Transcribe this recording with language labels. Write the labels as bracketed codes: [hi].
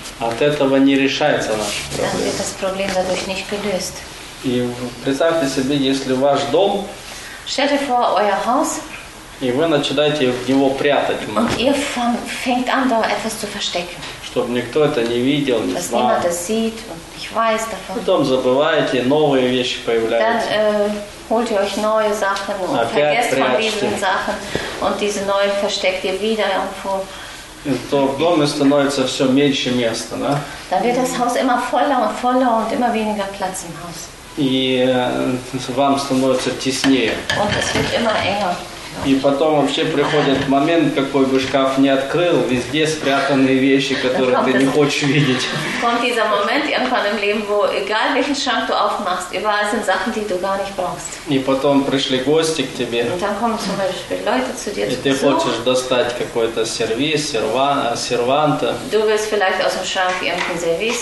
[ru] от этого не решается наша проблема. [de] Dann wird das Problem dadurch nicht gelöst. [ru] И представьте себе, если ваш дом, [de] stell dir vor, euer Haus, [ru] и вы начинаете в него прятать [de] fängt an, da etwas zu verstecken. [ru] Чтобы никто это не видел, не знал. [de] Dass niemand das sieht und ich weiß davon. [ru] Потом забываете, новые вещи появляются. [de] Dann holt ihr euch neue Sachen und vergesst von diesen Sachen. Und diese neue versteckt ihr wieder irgendwo. [ru] То в доме становится все меньше места, да? [de] Dann wird das Haus immer voller und voller und immer weniger Platz im Haus. [ru] И вам становится теснее. [de] Und es wird immer enger. [ru] И потом вообще приходит момент, какой бы шкаф ни открыл, везде спрятанные вещи, которые ты не хочешь видеть. [de] Kommt dieser Moment irgendwann im Leben, wo egal welchen Schrank du aufmachst, überall sind Sachen, die du gar nicht brauchst. [ru] И потом пришли гости к тебе. [de] Und dann kommen zum Beispiel Leute zu dir. [ru] И ты хочешь достать какой-то сервиз, серванта. [de] Du willst vielleicht aus dem Schrank irgendein Service.